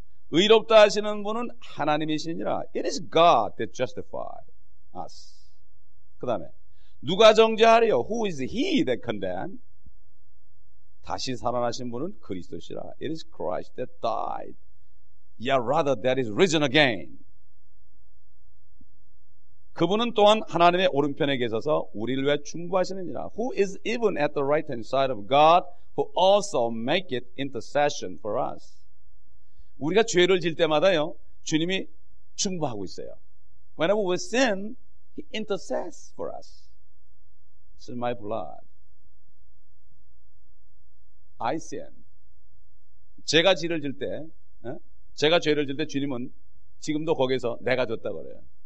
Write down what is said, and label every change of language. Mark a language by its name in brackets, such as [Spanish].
[Korean] 의롭다 하시는 분은 하나님이시니라. [English] It is God that justifies us. [Korean] 그 다음에 누가 정죄하리요? [English] Who is he that condemned? [Korean] 다시 살아나신 분은 그리스도시라. [English] It is Christ that died. Yet rather that is risen again. [Korean] 그분은 또한 하나님의 오른편에 계셔서 우리를 위해 중보하시느니라. [English] Who is even at the right hand side of God who also maketh intercession for us? [Korean] 우리가 죄를 질 때마다요, 주님이 중보하고 있어요. [English] Whenever we sin, he intercesses for us. It's in my blood. I sin. [Korean] 제가 죄를 질 때, 제가 죄를 질 때 주님은 지금도 거기서 내가 졌다고 그래요.